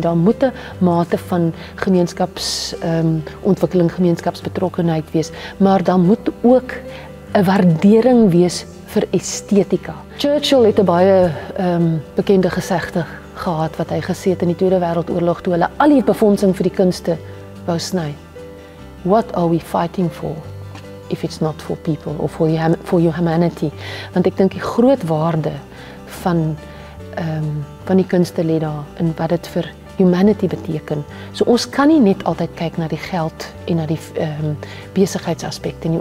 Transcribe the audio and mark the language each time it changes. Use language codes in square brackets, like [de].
[af] Daar moet 'n mate van ontwikkeling, gemeenskapsbetrokkenheid wees, maar dan moet ook 'n waardering wees vir estetika. Churchill het 'n baie bekende gesegde gehad wat hy gesê het in die Tweede Wêreldoorlog toe hulle al die befondsing vir die kunste wou sny. [en] What are we fighting for if it's not for people or for your humanity? [af] Want ek dink die groot waarde van die kunste lê daar in wat dit vir humanity beteken. So ons kan nie net altyd kyk na die geld en na die besigheidsaspekte nie.